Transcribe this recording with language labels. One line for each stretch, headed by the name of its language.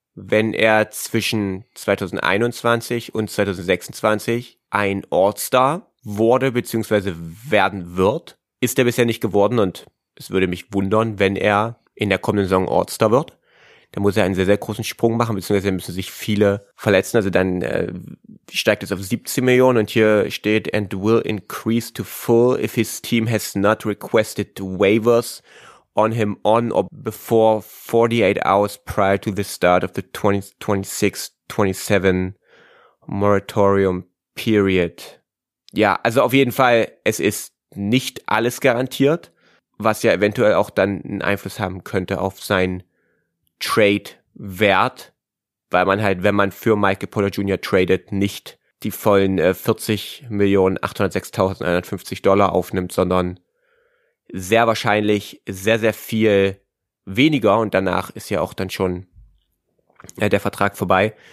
German: Wenn er zwischen 2021 und 2026 ein All-Star wurde bzw. werden wird, ist er bisher nicht geworden. Und es würde mich wundern, wenn er in der kommenden Saison All-Star wird. Dann muss er einen sehr, sehr großen Sprung machen bzw. müssen sich viele verletzen. Also dann steigt es auf 17 Millionen. Und hier steht,
English: and will increase to full if his team has not requested waivers on him on or before 48 hours prior to the start of the 2026-27 moratorium period.
German: Ja, also auf jeden Fall, es ist nicht alles garantiert, was ja eventuell auch dann einen Einfluss haben könnte auf seinen Trade-Wert, weil man halt, wenn man für Michael Porter Jr. tradet, nicht die vollen 40.806.150 Dollar aufnimmt, sondern sehr wahrscheinlich sehr, sehr viel weniger, und danach ist ja auch dann schon der Vertrag vorbei.